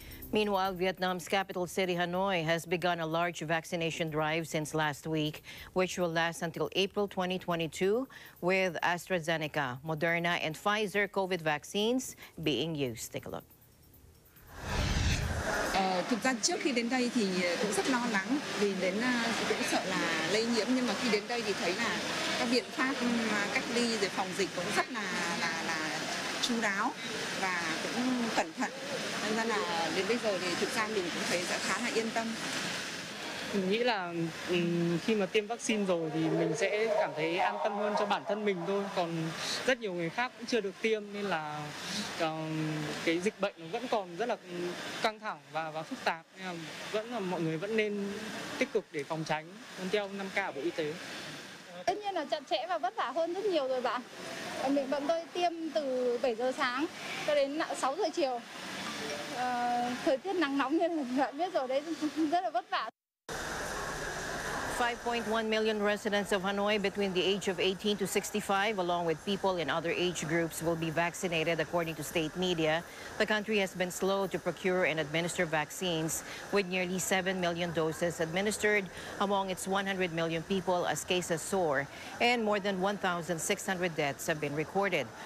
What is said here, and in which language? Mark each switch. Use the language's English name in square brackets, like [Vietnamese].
[English] Meanwhile, Vietnam's capital city, Hanoi, has begun a large vaccination drive since last week, which will last until April 2022, with AstraZeneca, Moderna, and Pfizer COVID vaccines being used. Take a look. [Vietnamese] Thực ra trước khi đến đây thì cũng rất lo lắng vì đến cũng sợ là lây nhiễm, nhưng mà khi đến đây thì thấy là các biện pháp cách ly rồi phòng dịch cũng rất là chu đáo và cũng cẩn thận, nên ra là đến bây giờ thì thực ra mình cũng thấy khá là yên tâm. Mình nghĩ là khi mà tiêm vaccine rồi thì mình sẽ cảm thấy an tâm hơn cho bản thân mình thôi. Còn rất nhiều người khác cũng chưa được tiêm nên là cái dịch bệnh nó vẫn còn rất là căng thẳng và phức tạp. Nên là vẫn là mọi người vẫn nên tích cực để phòng tránh, tuân theo 5K của Bộ Y tế. Tất nhiên là chặt chẽ và vất vả hơn rất nhiều rồi bạn. Mình bọn tôi tiêm từ 7 giờ sáng cho đến 6 giờ chiều. Thời tiết nắng nóng như bạn biết rồi đấy, rất là vất vả. [English] 5.1 million residents of Hanoi between the age of 18 to 65, along with people in other age groups, will be vaccinated, according to state media. The country has been slow to procure and administer vaccines, with nearly 7 million doses administered among its 100 million people as cases soar, and more than 1,600 deaths have been recorded.